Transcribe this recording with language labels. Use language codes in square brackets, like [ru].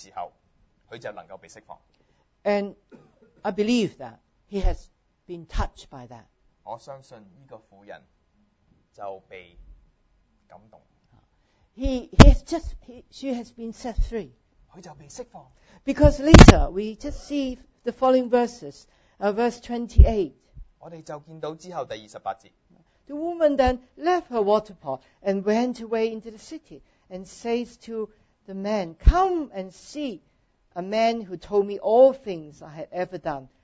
[zh] 只有当她来到接受主耶稣，相信她，所以她的灵被圣灵来重生的时候，她就能够被释放。 [en] And I believe that he has been touched by that. [zh] 我相信这个妇人就被感动。 [en] She has been set free. [zh] 他就被释放。 [en] Because later we just see the following verses, verse 28. [zh] 我们就见到之后第28节。 [en] The woman then left her water pot and went away into the city and says to the man, "Come and see a man who told me all things I had ever done.